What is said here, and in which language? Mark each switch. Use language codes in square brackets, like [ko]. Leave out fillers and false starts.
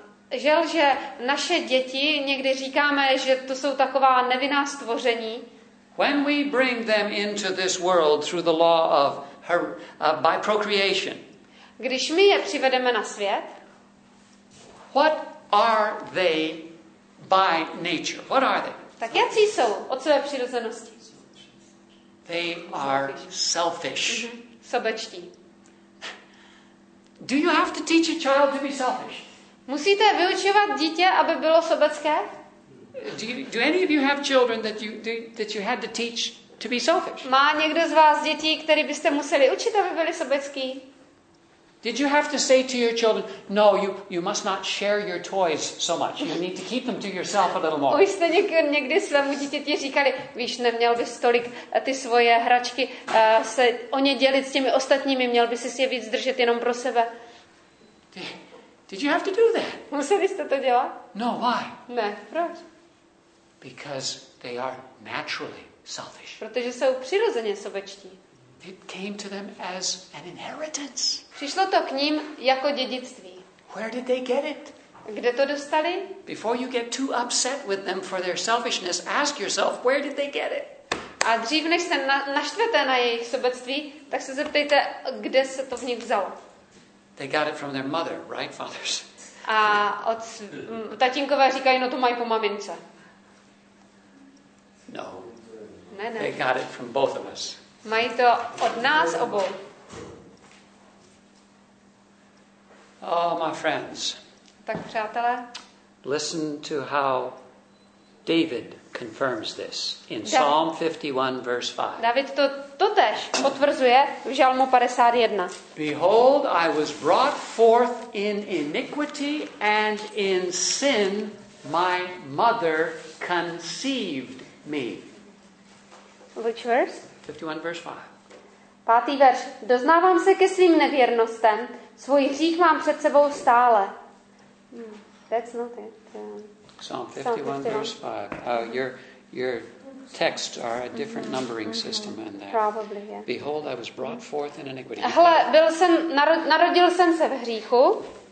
[cs] Žel, že naše děti, někdy říkáme, že to jsou taková nevinná stvoření. [en] When we bring them into this world through the law of by procreation. [cs] Když my je přivedeme na svět. [en] What are they by nature? What are they? [cs] Tak jací jsou od své přirozenosti. [en] They are selfish. Mm-hmm. [cs] Sobečtí. [en] Do you have to teach a child to be selfish? [cs] Musíte vyučovat dítě, aby bylo sobecké? [en] Do any of you have children that you had to teach to be selfish? [cs] Má někdo z vás děti, které byste museli učit, aby byly sobecký? [en] Did you have to say to your children, no, you must not share your toys so much. You need to keep them to yourself a little more. [cs] Vy jste někdy svému dítěti říkali, víš, neměl bys tolik ty svoje hračky se o ně dělit s těmi ostatními, měl bys si je víc držet jenom pro sebe. [en] Did you have to do that? [cs] Museli jste to dělat? [en] No, why? [cs] Ne, proč? [en] Because they are naturally selfish. [cs] Protože jsou přirozeně sobečtí. [en] It came to them as an inheritance. [cs] Přišlo to k ním jako dědictví. [en] Where did they get it? [cs] Kde to dostali? [en] Before you get too upset with them for their selfishness, ask yourself, where did they get it? [cs] A dřív, než se naštvete na jejich sobectví, tak se zeptejte, kde se to v nich vzalo. [en] They got it from their mother, right, fathers? [cs] A od tatínkové říkají, no to mají po mamince. [en] No. [cs] Ne. [en] They got it from both of us. [cs] Mají to od nás obou. [en] Oh, my friends. [cs] Tak přátelé. [en] Listen to how David confirms this in Psalm 51 verse 5. [cs] David to totéž potvrzuje v Žalmu 51. [en] Behold, I was brought forth in iniquity and in sin my mother conceived me. Which verse? 51 verse 5. [cs] Pátý verš. Doznávám se ke svým nevěrnostem. Svůj hřích mám před sebou stále. [en] That's not it. Psalm 51 verse 5. Your texts are a different numbering system than that. Probably, yeah. Behold, I was brought forth in iniquity. [cs] Hele, byl jsem, narodil jsem se v hříchu.